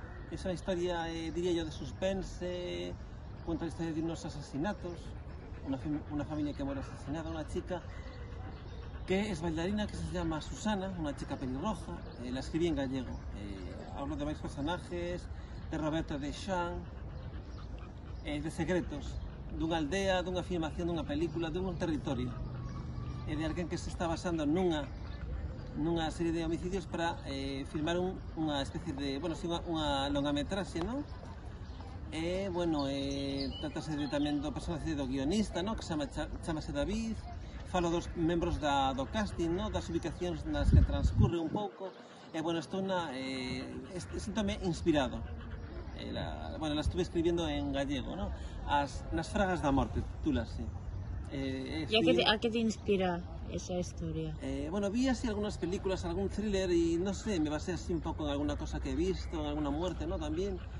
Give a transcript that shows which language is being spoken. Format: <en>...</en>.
<es>Es una historia, diría yo, de suspense. Cuenta la historia de unos asesinatos. Una familia que muere asesinada. Una chica que es bailarina, que se llama Susana, una chica pelirroja. La escribí en gallego. Hablo de varios personajes, de Roberto de Xan, de secretos.</es> <gl>De unha aldea, dunha filmación, dunha película, dun territorio. E de alguén que se está basando nunha serie de homicidios para filmar unha especie de, bueno, si unha longametraxe, non? E, bueno, tratase de tamén do personaxe do guionista, non? Que chamase David. Falo dos membros do casting, non? Das ubicacións nas que transcurre un pouco. E, bueno, síntome inspirado.</gl> <es>Bueno, la estuve escribiendo en gallego, ¿no?</es> <gl>Nas Fragas da Morte, titúlase.</gl> <es>¿Y a qué te inspira esa historia? Bueno, vi así algunas películas, algún thriller y no sé, me basé así un poco en alguna cosa que he visto, en alguna muerte, ¿no? También.</es>